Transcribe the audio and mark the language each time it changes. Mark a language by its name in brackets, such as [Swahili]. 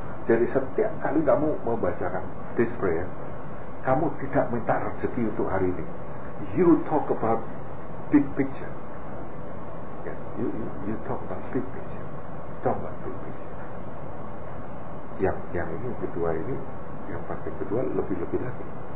[Indonesian] Jadi setiap kali kamu membacakan [English] this prayer, [Indonesian] kamu tidak minta rezeki untuk hari ini. [English] You talk about big picture. Yes, you talk about big picture. Talk about big picture. [Indonesian] Yang ini kedua ini, yang pasti kedua lebih lagi.